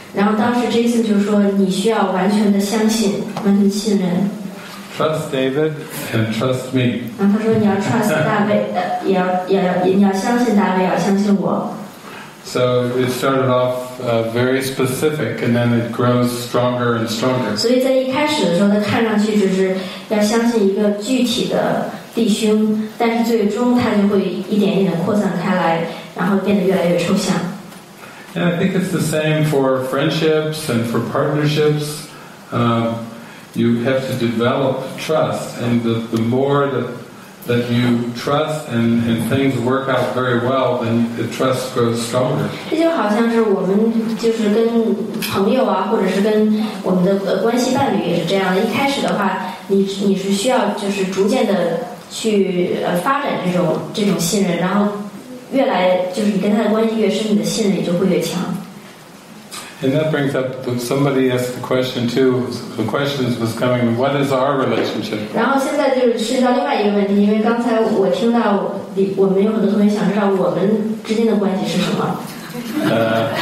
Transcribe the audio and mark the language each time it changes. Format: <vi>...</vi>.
<zh>然后当时 Jason 就说，你需要完全的相信，完全信任。</zh> <en>Trust David and trust me.</en> <zh>然后他说你要 trust 大卫，你要相信大卫，要相信我。</zh> <en>So it started off very specific, and then it grows stronger and stronger.</en> <zh>所以在一开始的时候，他看上去只是要相信一个具体的弟兄，但是最终他就会一点一点扩散开来，然后变得越来越抽象。</zh> <en>And I think it's the same for friendships and for partnerships. You have to develop trust, and the more that you trust and things work out very well, then the trust grows stronger.</en> <zh>这就好像是我们就是跟朋友啊，或者是跟我们的关系伴侣也是这样的。一开始的话，你是需要就是逐渐的去发展这种信任，然后越来就是你跟他的关系越深，你的信任也就会越强。</zh> <en>And that brings up, somebody asked the question too, the question was coming, what is our relationship?</en> <zh>然后现在就是涉及到另外一个问题，因为刚才我听到我们有很多同学想知道我们之间的关系是什么。</zh>